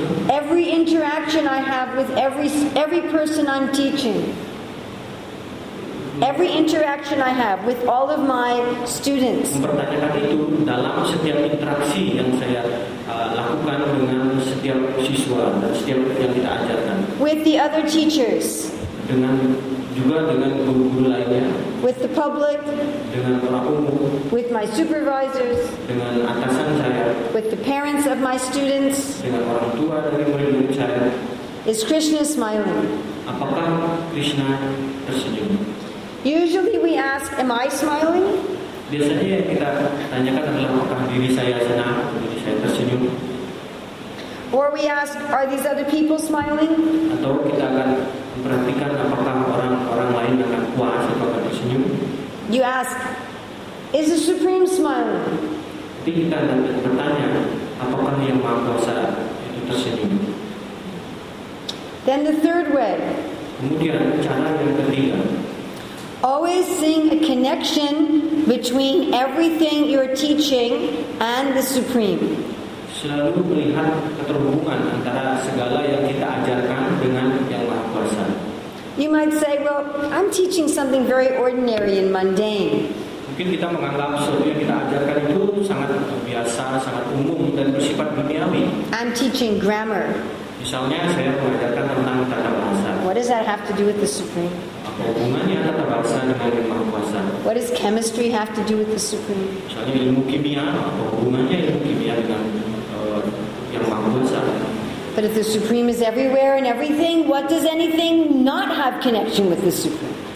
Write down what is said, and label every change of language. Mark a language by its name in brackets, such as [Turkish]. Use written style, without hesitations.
[English] Every interaction I have with every person I'm teaching, every interaction I have with all of my students. [Indonesian] Mempertanyakan itu dalam setiap interaksi yang saya lakukan dengan setiap siswa dan setiap yang kita ajarkan. [English] With the other teachers. [Indonesian] Dengan juga dengan guru-guru lainnya. [English] With the public. [Indonesian] Dengan orang umum. [English] With my supervisors. [Indonesian] Dengan atasan saya. [English] With the parents of my students. [Indonesian] Dengan orang tua dari murid-murid saya. [English] Is Krishna smiling? [Indonesian] Apakah Krishna tersenyum? [English] Usually we ask, am I smiling? [Indonesian] Biasanya yang kita tanyakan adalah apakah diri saya senang, diri saya tersenyum. [English] Or we ask, are these other people smiling? [Indonesian] Atau kita akan perhatikan apakah orang-orang lain akan puas atau akan tersenyum. [English] You ask, is the Supreme smiling? [Indonesian] Jadi kita akan bertanya, apakah yang Maha Kuasa itu tersenyum? [English] Then the third way. [Indonesian] Kemudian cara yang ketiga. [English] Always seeing a connection between everything you're teaching and the Supreme. [Indonesian] Selalu melihat keterhubungan antara segala yang kita ajarkan dengan yang Maha Kuasa. [English] You might say, well, I'm teaching something very ordinary and mundane. [Indonesian] Mungkin kita menganggap sesuatu yang kita ajarkan itu sangat biasa, sangat umum dan bersifat duniawi. [English] I'm teaching grammar. [Indonesian] Misalnya saya mengajarkan tentang tata bahasa. [English] What does that have to do with the Supreme? [Indonesian] Apa hubungannya tata bahasa dengan yang Maha Kuasa? [English] What does chemistry have to do with the Supreme? [Indonesian] Misalnya ilmu kimia, apa hubungannya ilmu kimia dengan yang Maha Kuasa? [English] But if the Supreme is everywhere and everything, what does anything not have connection with the Supreme?